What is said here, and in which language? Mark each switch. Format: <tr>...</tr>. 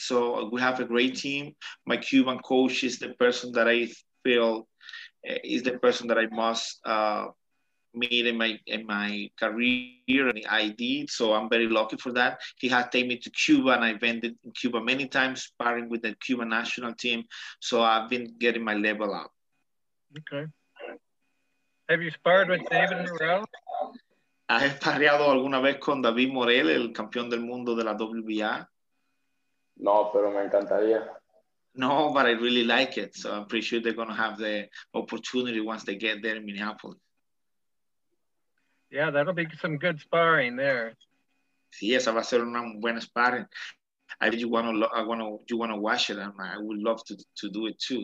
<en>So we have a great team. My Cuban coach is the person that I feel is the person that I must meet in my career, and I did, so I'm very lucky for that. He has taken me to Cuba, and I've been in Cuba many times, sparring with the Cuban national team, so I've been getting my level up. Okay. Have you sparred with David Morrell?</en> <es>¿Has sparreado alguna vez con David Morrell, el campeón del mundo de la WBA? No, pero me encantaría.</es> <en>No, but I really like it, so I'm pretty sure they're going to have the opportunity once they get there in Minneapolis. Yeah, that'll be some good sparring there.</en> <es>Sí, esa va a ser una buena sparring.</es> <en>I think you want to watch it, and I would love to do it too.</en>